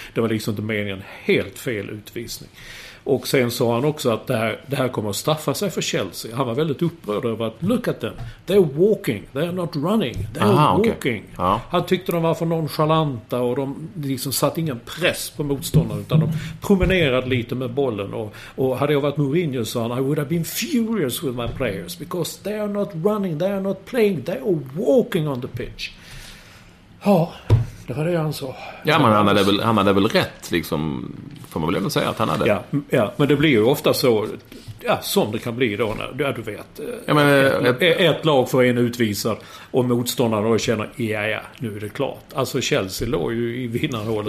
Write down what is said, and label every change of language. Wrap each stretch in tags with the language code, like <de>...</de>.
<sv>Det var liksom inte meningen, helt fel utvisning. Och sen sa han också att det här kommer att straffa sig för Chelsea. Han var väldigt upprörd över att,</sv> <en>look at them, they're walking, they're not running, they're walking. Okay.</en> <sv>Ja. Han tyckte de var för nonchalanta, och de liksom satt ingen press på motståndaren, utan de promenerade lite med bollen. Och hade jag varit Mourinho, sa han,</sv> <en>I would have been furious with my players, because they are not running, they are not playing, they are walking on the pitch.</en> <sv>Ja, det var det han sa. Ja, men han hade väl rätt, liksom, får man väl även säga att han hade. Ja, men det blir ju ofta så, som det kan bli då, när du vet. Ja, men, ett lag får en utvisad, och motståndaren då känner, nu är det klart. Alltså Chelsea låg ju i vinnarhålet.</sv>